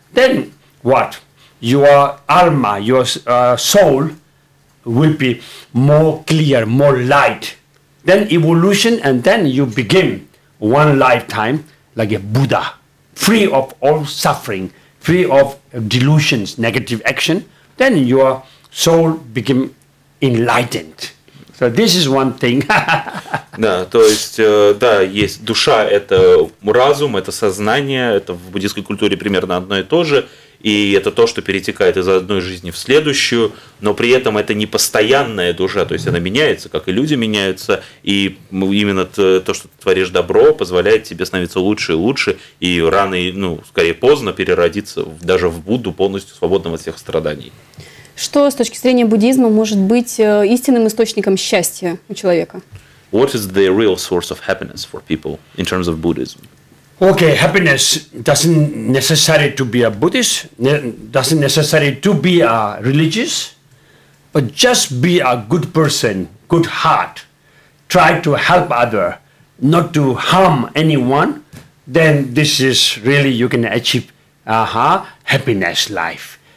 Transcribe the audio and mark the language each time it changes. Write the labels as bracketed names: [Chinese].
[English] Then what? Your alma, your soul will be more clear, more light. Then evolution, and then you begin one lifetime like a Buddha, free of all suffering, free of delusions, negative action. Then your soul become enlightened. So this is one thing. [Russian] Да, то есть, да, есть душа – это разум, это сознание, это в буддийской культуре примерно одно и то же, и это то, что перетекает из одной жизни в следующую, но при этом это не постоянная душа, то есть она меняется, как и люди меняются, и именно то, что ты творишь добро, позволяет тебе становиться лучше и лучше, и рано, ну, скорее поздно переродиться даже в Будду, полностью свободным от всех страданий. Что с точки зрения буддизма может быть истинным источником счастья у человека? [English] What is the real source of happiness for people in terms of Buddhism? Okay, happiness doesn't necessary to be a Buddhist, doesn't necessary to be a religious, but just be a good person, good heart, try to help other, not to harm anyone, then this is really you can achieve happiness life.